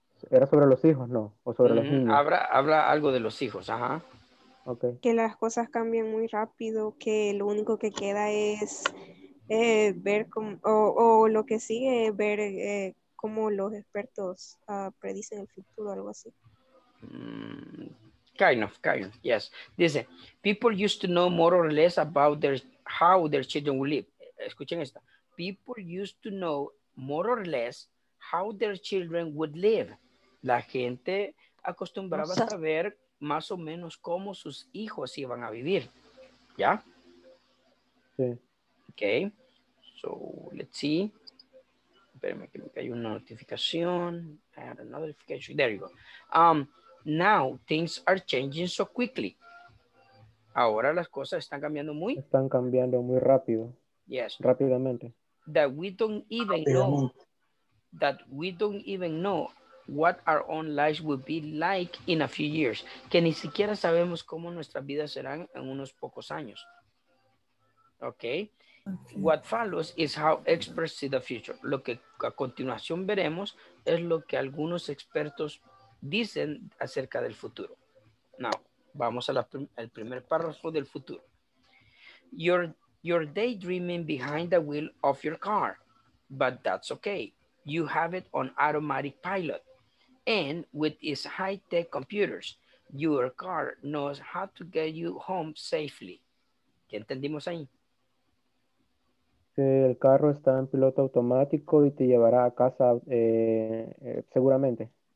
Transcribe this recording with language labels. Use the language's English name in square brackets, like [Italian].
[Spanish] Era sobre los hijos, ¿no? O sobre los niños. Habla algo de los hijos, ajá. [English] Okay. [Spanish] Que las cosas cambian muy rápido, que lo único que queda es ver cómo, o lo que sigue es ver cómo los expertos predicen el futuro, algo así. [English] Kind of, yes. [Spanish] Dice, [English] people used to know more or less about their how their children will live. [Spanish] Escuchen esta. [English] People used to know more or less how their children would live. [Spanish] La gente acostumbraba a saber más o menos cómo sus hijos iban a vivir. ¿Ya? Sí. [English] Okay. So, let's see. [Spanish] Espérame que me cayó una notificación. [English] I had another notification. There you go. Now, things are changing so quickly. [Spanish] Ahora las cosas están cambiando muy... Están cambiando muy rápido. [English] Yes. [Spanish] Rápidamente. [English] That we don't even know... That we don't even know what our own lives will be like in a few years. [Spanish] Que ni siquiera sabemos cómo nuestras vidas serán en unos pocos años. [English] Okay. What follows is how experts see the future. [Spanish] Lo que a continuación veremos es lo que algunos expertos dicen acerca del futuro. Now, vamos al primer párrafo del futuro. [English] You're daydreaming behind the wheel of your car, but that's okay. You have it on automatic pilot. And with its high-tech computers, your car knows how to get you home safely. [Spanish] ¿Qué entendimos ahí? El carro está en piloto automático y te llevará a casa seguramente.